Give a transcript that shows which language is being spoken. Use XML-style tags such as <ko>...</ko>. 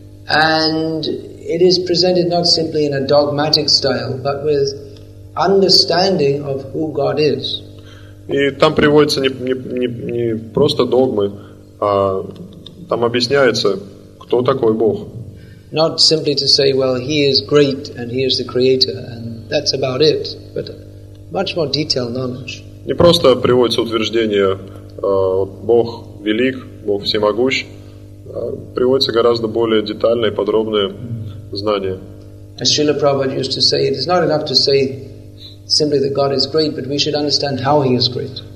<en>And it is presented not simply in a dogmatic style, but with understanding of who God is.</en> <ru>И там приводится не просто догмы, а там объясняется, кто такой Бог.</ru> <en>Not simply to say, well, he is great and he is the creator and that's about it, but much more detailed knowledge.</en> <ru>Не просто приводится утверждение, Бог велик, Бог всемогущ, приводится гораздо более детальное и подробное знание.</ru> <en>As Srila Prabhupada used to say, it is not enough to say simply that God is great, but we should understand how he is great.</en>